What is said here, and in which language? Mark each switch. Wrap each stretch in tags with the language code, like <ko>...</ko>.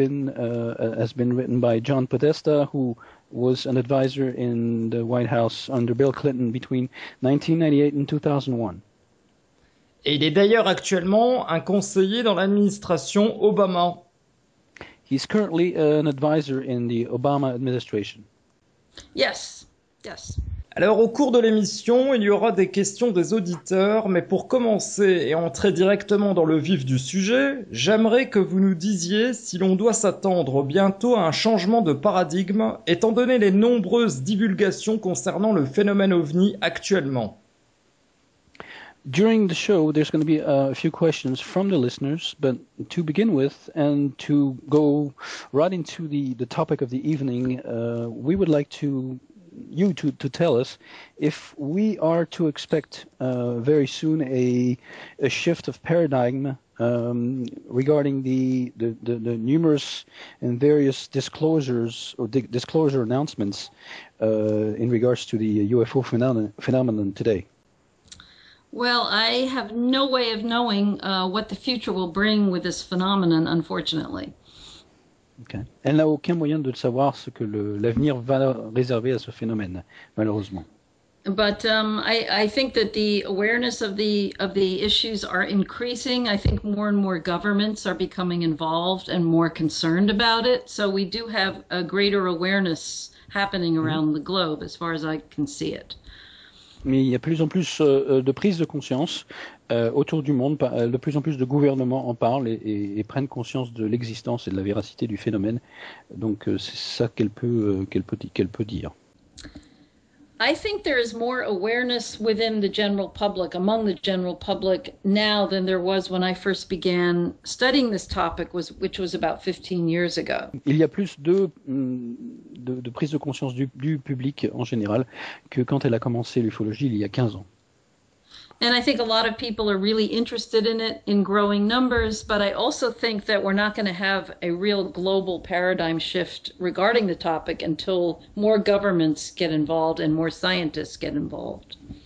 <en>Has been written by John Podesta, who was an advisor in the White House under Bill Clinton between 1998 and 2001.</en> <fr>Et il est d'ailleurs actuellement un conseiller dans l'administration Obama.</fr> <en>He's currently an advisor in the Obama administration. Yes, yes.</en> <fr>Alors au cours de l'émission, il y aura des questions des auditeurs, mais pour commencer et entrer directement dans le vif du sujet, j'aimerais que vous nous disiez si l'on doit s'attendre bientôt à un changement de paradigme, étant donné les nombreuses divulgations concernant le phénomène OVNI actuellement.</fr> <en>During the show, there's going to be a few questions from the listeners, but to begin with, and to go right into the topic of the evening, we would like to you to tell us if we are to expect very soon a shift of paradigm regarding the numerous and various disclosures or disclosure announcements in regards to the UFO phenomenon today. Well, I have no way of knowing what the future will bring with this phenomenon, unfortunately. Okay.</en> <fr>Elle n'a aucun moyen de savoir ce que l'avenir va réserver à ce phénomène, malheureusement.</fr> <en>But I think that the awareness of the issues are increasing. I think more and more governments are becoming involved and more concerned about it. So we do have a greater awareness happening around the globe, as far as I can see it.</en> <fr>Mais il y a de plus en plus de prise de conscience autour du monde. De plus en plus de gouvernements en parlent et prennent conscience de l'existence et de la véracité du phénomène. Donc c'est ça qu'elle peut dire.</fr> <en>I think there is more awareness within the general public, among the general public now than there was when I first began studying this topic, which was about 15 years ago.</en> <fr>Il y a plus de prise de conscience du public en général que quand elle a commencé l'ufologie il y a 15 ans.</fr> <en>And I think a lot of people are really interested in it in growing numbers, but I also think that we're not going to have a real global paradigm shift regarding the topic until more governments get involved and more scientists get involved.</en>